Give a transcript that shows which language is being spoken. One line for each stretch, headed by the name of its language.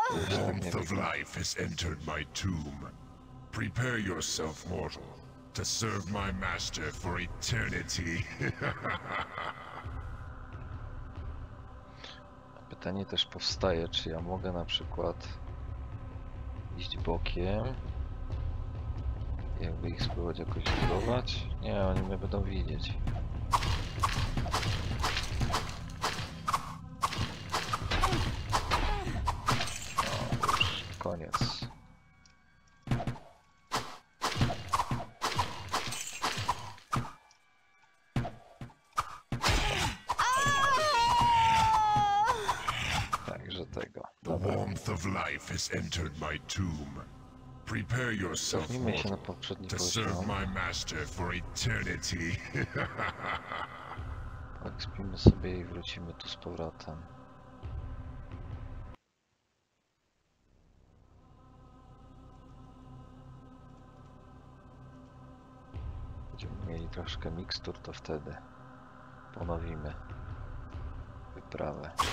English: Warmth of life has entered my tomb. Prepare yourself, mortal, to serve my master for eternity.
Polish: Pytanie też powstaje, czy ja mogę na przykład iść bokiem, jakby ich spróbować jakoś zbudować? Nie, oni mnie będą widzieć. Koniec. Także tego.
English: The warmth of life has entered my tomb. Prepare yourself to serve my master for eternity.
Polish: Tak, spimy sobie i wrócimy tu z powrotem. Troszkę mikstur, to wtedy ponowimy wyprawę.